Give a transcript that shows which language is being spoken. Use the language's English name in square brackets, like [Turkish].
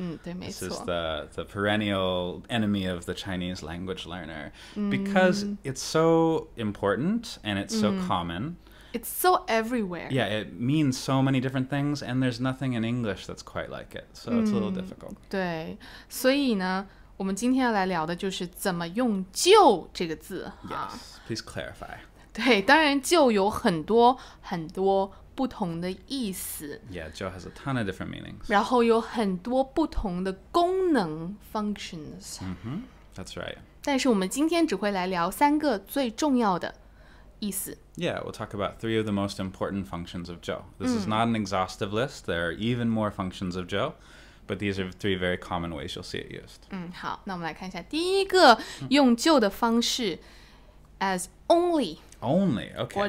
[Chinese] 对没错。 [English] This is the perennial enemy of the Chinese language learner. Because it's so important and it's so common. It's so everywhere. Yeah, it means so many different things, and there's nothing in English that's quite like it, so it's a little difficult. [Chinese] 对，所以呢，我们今天要来聊的就是怎么用就这个字。 [English] Yes, please clarify. [Chinese] 对，当然就有很多很多不同的意思。 [English] Yeah, 就 has a ton of different meanings. [Chinese] 然后有很多不同的功能 functions. [English] That's right. [Chinese] 但是我们今天只会来聊三个最重要的意思。 [English] Yeah, we'll talk about three of the most important functions of Joe. This is not an exhaustive list. There are even more functions of Joe, but these are three very common ways you'll see it used. [Chinese] 好，那我们来看一下第一个用就的方式 as only. [English] Only, okay.